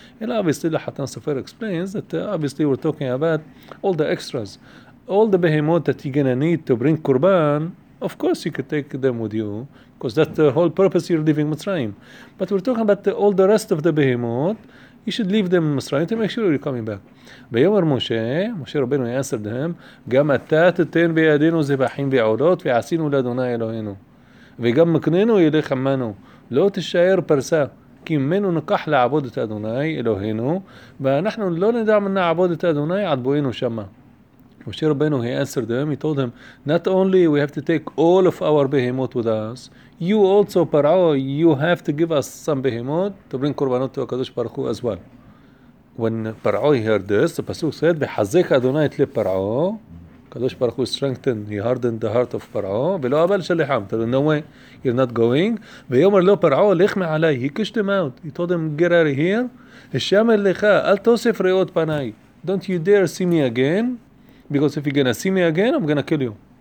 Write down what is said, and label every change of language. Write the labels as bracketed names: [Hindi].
[English] And obviously, the Hatan Sofer explains that obviously we're talking about all the extras. All the behemoth that you're going to need to bring korban, of course you could take them with you, because that's the whole purpose you're leaving Mitzrayim. But we're talking about all the rest of the behemoth. You should leave them in Mitzrayim to make sure you're coming back. [Hebrew] ויאמר משה, משה רבנו [English] answered them, [Hebrew] גם אתה תתן בידינו זבחים ועולות ועשינו לאדוני אלוהינו. וגם מקננו ילך עמנו, לא תישאר פרסה, כי ממנו נקח לעבוד את אדוני אלוהינו, ואנחנו לא נדע מנה עבוד את אדוני עד בואינו שמה. [English] משה רבנו, he answered them, he told them, not only we have to take all of our behemoth with us, you also, פרעו, you have to give us some behemoth to bring קורבנות to הקדוש ברוך הוא as well. When פרעו heard this, the pasuk said, [Hebrew] וחזק אדוני את לב פרעו, [English] הקדוש ברוך הוא strengthened, he hardened the heart of פרעו, [Hebrew] ולא אבל שלחם, [English] no way, you're not going, [Hebrew] ויאמר לו פרעו, לך מעלי, [English] he kissed him out, he told him, get out of here, [Hebrew] השמר לך, אל תוסף ראות פניי, [English] don't you dare see me again, because if you're gonna see me again, I'm gonna kill you.